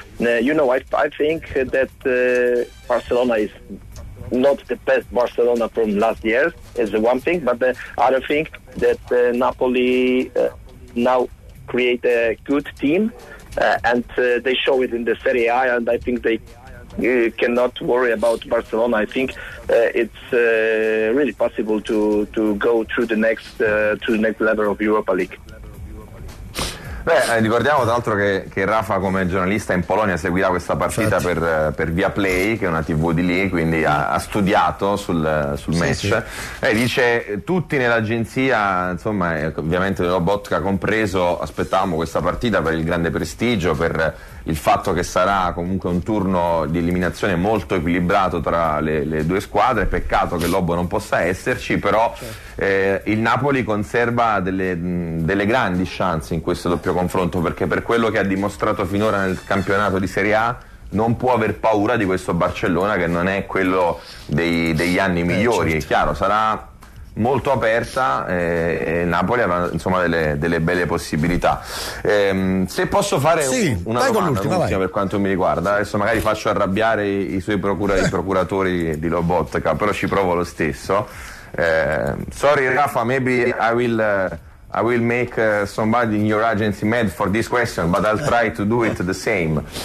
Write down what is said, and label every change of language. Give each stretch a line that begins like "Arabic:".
English: You know, I think that Barcelona is not the best Barcelona from last year, is the one thing, but the other thing that Napoli now create a good team. And they show it in the Serie A, and I think they cannot worry about Barcelona. I think it's really possible to go through to the next level of Europa League.
Italian: Beh, ricordiamo tra l'altro che Rafa, come giornalista in Polonia, seguirà questa partita per Via Play, che è una TV di lì, quindi ha studiato sul match. Sì, sì. Dice, tutti nell'agenzia, insomma, ovviamente Lobotka compreso, aspettavamo questa partita per il grande prestigio, per il fatto che sarà comunque un turno di eliminazione molto equilibrato tra le due squadre. Peccato che Lobo non possa esserci, però il Napoli conserva delle grandi chance in questo doppio confronto, perché per quello che ha dimostrato finora nel campionato di Serie A non può aver paura di questo Barcellona, che non è quello degli anni migliori. Certo. È chiaro, sarà molto aperta e Napoli avrà, insomma, delle belle possibilità. Se posso fare una domanda per quanto mi riguarda, adesso magari faccio arrabbiare i procuratori di Lobotka, però ci provo lo stesso.
English: Sorry Rafa, maybe I will make somebody in your agency mad for this question, but I'll try to do it the same.